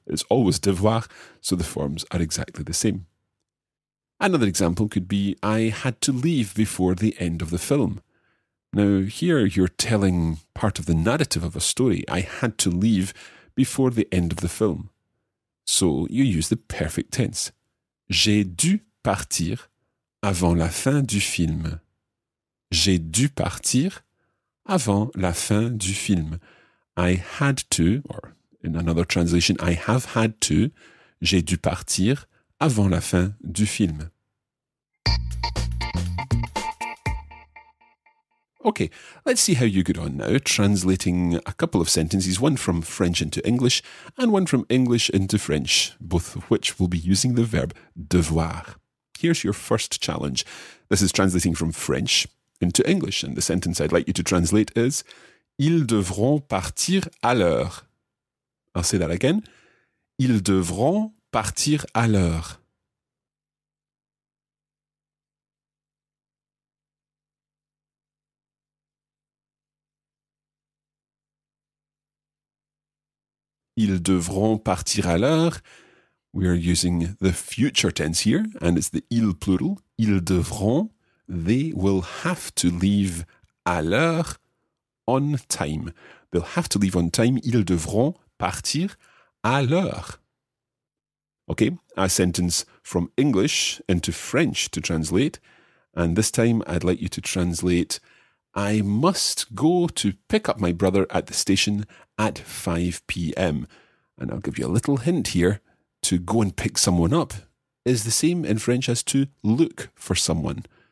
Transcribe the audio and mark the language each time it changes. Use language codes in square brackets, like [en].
[en] It's always devoir, so the forms are exactly the same. Another example could be, I had to leave before the end of the film. Now, here you're telling part of the narrative of a story. I had to leave before the end of the film. So you use the perfect tense. [fr] J'ai dû partir avant la fin du film. J'ai dû partir avant la fin du film. [en] I had to, or in another translation, I have had to, [fr] j'ai dû partir avant la fin du film. [en] Okay, let's see how you get on now, translating a couple of sentences, one from French into English and one from English into French, both of which will be using the verb devoir. Here's your first challenge. This is translating from French into English, and the sentence I'd like you to translate is [fr] Ils devront partir à l'heure. [en] I'll say that again. [fr] Ils devront partir à l'heure. Ils devront partir à l'heure. [en] We are using the future tense here, and it's the ils plural. [fr] Ils devront, [en] they will have to leave [fr] à l'heure, [en] on time. They'll have to leave on time. [fr] Ils devront partir à l'heure. [en] Okay, a sentence from English into French to translate. And this time I'd like you to translate, I must go to pick up my brother at the station at 5 p.m. And I'll give you a little hint here. To go and pick someone up is the same in French as to look for someone.